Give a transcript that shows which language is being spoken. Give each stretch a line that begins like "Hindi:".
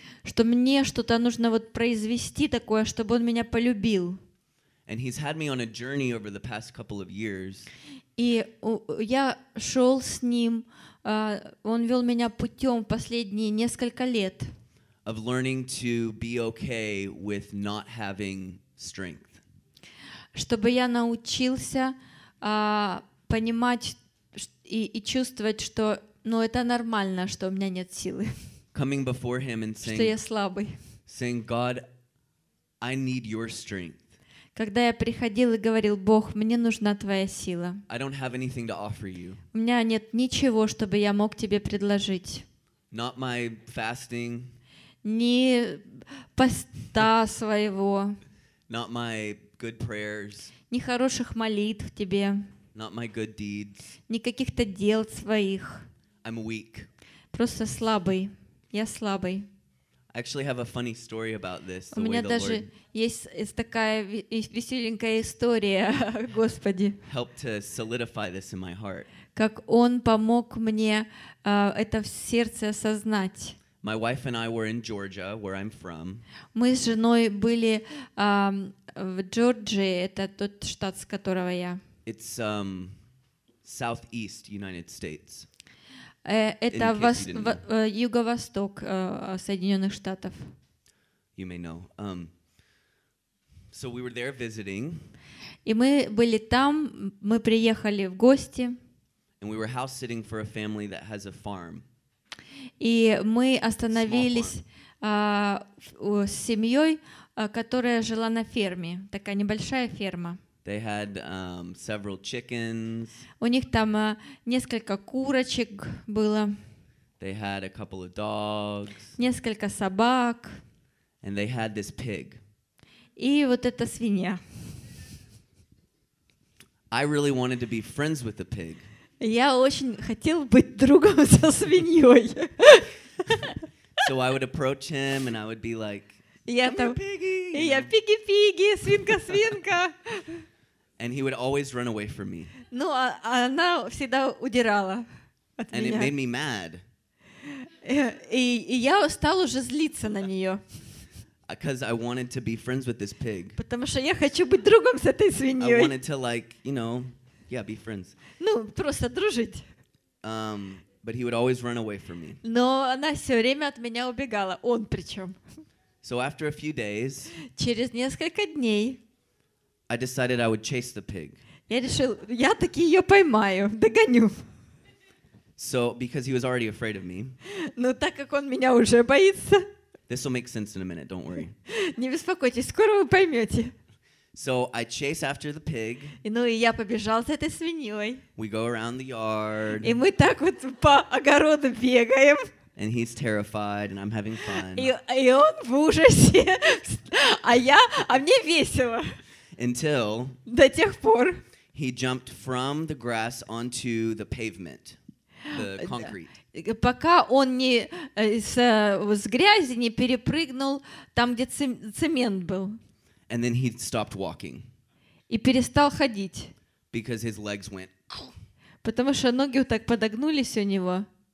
Russian: Что мне что-то нужно вот произвести такое, чтобы он меня полюбил.
English: And he's had me on a journey over the past couple of years.
Russian: И я шел с ним, он вел меня путем последние несколько лет.
English: Of learning to be okay with not having strength.
Russian: Чтобы я научился понимать и чувствовать, что но это нормально, что у меня нет силы.
English: Coming before him and saying,
Russian: что я слабый.
English: Saying, God, I need your strength.
Russian: Когда я приходил и говорил, Бог, мне нужна твоя сила.
English: I don't have anything to offer you.
Russian: У меня нет ничего, чтобы я мог тебе предложить.
English: Not my fasting.
Russian: Ни поста своего.
English: Not my good prayers.
Russian: Ни хороших молитв тебе.
English: Not my good deeds.
Russian: Ни каких-то дел своих.
English: I'm weak.
Russian: Просто слабый. Я слабый.
English: I actually have a funny story about this.
Russian: У меня даже есть такая веселенькая история, Господи.
English: Help to solidify this in my heart.
Russian: Как он помог мне это в сердце осознать.
English: My wife and I were in Georgia, where I'm from.
Russian: Мы с женой были в Джорджии, это тот штат, с которого я.
English: It's southeast United States.
Russian: Это юго-восток Соединенных Штатов.
English: You may know. So we were there visiting.
Russian: И мы были там, мы приехали в гости.
English: And we were house-sitting for a family that has a farm.
Russian: И мы остановились с семьей, которая жила на ферме, такая небольшая ферма.
English: They had several chickens.
Russian: У них там несколько курочек было.
English: They had a couple of dogs.
Russian: Несколько собак.
English: And they had this pig.
Russian: И вот эта свинья.
English: I really wanted to be friends with the pig.
Russian: Я очень хотел быть другом со свиньей.
English: So I would approach him and I would be like, "Come here, piggy!"
Russian: Я пиги-пиги, свинка-свинка.
English: And he would always run away from me.
Russian: Ну, она всегда удирала от
English: And
Russian: меня.
English: It made me mad.
Russian: И я стал уже злиться на нее.
English: Because I wanted to be friends with this pig.
Russian: Потому что я хочу быть другом с этой свиньей.
English: I wanted to, like, you know, yeah, be friends.
Russian: Ну, просто дружить.
English: But he would always run away from me.
Russian: Но она все время от меня убегала. Он причем.
English: So after a few days.
Russian: Через несколько дней.
English: I decided I would chase the pig.
Russian: Я решил, я таки ее поймаю, догоню.
English: So, because he was already afraid of me.
Russian: Но так как он меня уже боится.
English: This will make sense in a minute, don't worry.
Russian: Не беспокойтесь, скоро вы поймете.
English: So, I chase after the pig.
Russian: Ну и я побежал за этой свиньей.
English: We go around the yard.
Russian: И мы так вот по огороду бегаем.
English: And he's terrified, and I'm having fun.
Russian: И он в ужасе, а мне весело.
English: Until
Russian: до тех пор
English: he jumped from the grass onto the pavement, the concrete.
Russian: Пока он не с грязи не перепрыгнул там, где цемент был.
English: And then he stopped walking.
Russian: И перестал ходить.
English: Because his legs went.
Russian: Потому что ноги вот так подогнулись у него.